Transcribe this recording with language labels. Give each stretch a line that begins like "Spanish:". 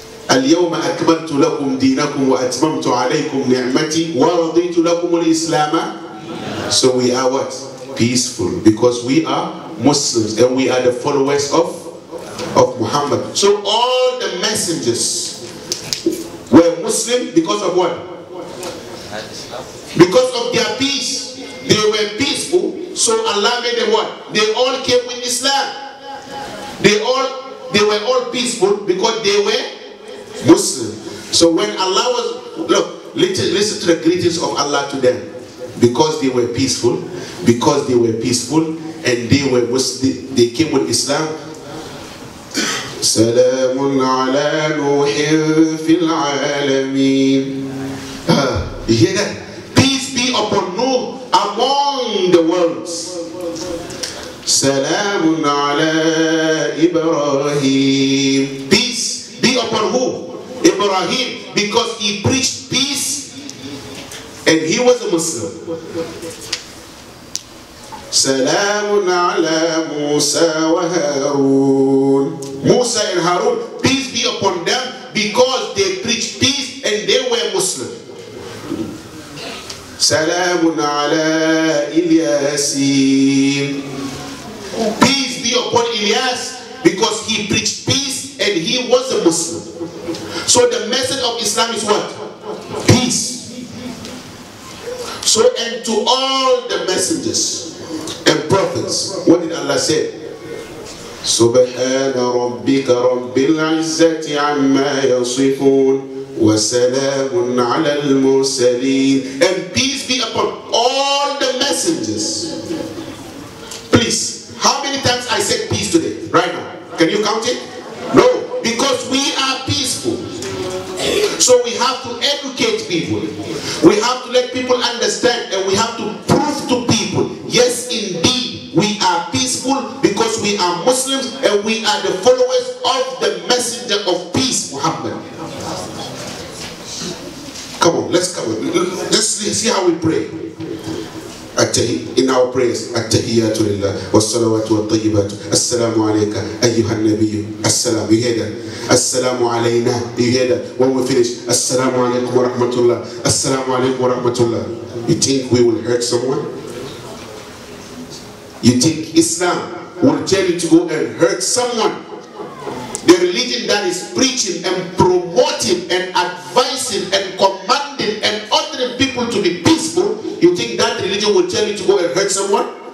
Arabic: اليوم أكملت لكم دينكم وأتممت عليكم نعمتي ورضيت لكم الإسلام.
English: So we are what? Peaceful. Because we are Muslims and we are the followers of Muhammad. So all the messengers were Muslim because of what? Because of their peace. They were peaceful, so Allah made them what? They all came with Islam. They were all peaceful because they were Muslim. So when Allah was, look, listen to the greetings of Allah to them. Because they were peaceful, and they were Muslim, they came with Islam.
Arabic: سلام على نوح في العالمين.
English: You hear that? Peace be upon Noah among the worlds.
Arabic: سلام على إبراهيم.
English: Peace be upon who? Ibrahim, because he preached peace and he was a Muslim.
Arabic: سلام على موسى وهارون.
English: Musa and Harun, peace be upon them because they preached peace and they were Muslim.
Arabic: سلام على إلياسين.
English: Peace be upon Elias because he preached peace and he was a Muslim. So the message of Islam is what? Peace. So and to all the messengers and prophets, what did Allah say?
Arabic: سبحان ربك رب العزة عما يصفون وسلام على المرسلين.
English: And peace be upon all the messengers. Please, how many times I said peace today? Right now, can you count it? No, because we are peaceful. So we have to educate people. We have to let people understand and we have to prove to people, yes, indeed, we are peaceful because we are Muslims and we are the followers of the messenger of peace, Muhammad. Come on, let's come on. Let's see how we pray. In our prayers,
Arabic: التحيات لله والصلوات والطيبات السلام عليك أيها النبي السلام.
English: You hear that?
Arabic: السلام علينا.
English: You hear that? When we finish,
Arabic: السلام عليكم ورحمة الله السلام عليكم ورحمة الله.
English: You think we will hurt someone? You think Islam will tell you to go and hurt someone? The religion that is preaching and promoting and advising and commanding and ordering people to be peaceful, you think that religion will tell you to go and hurt someone?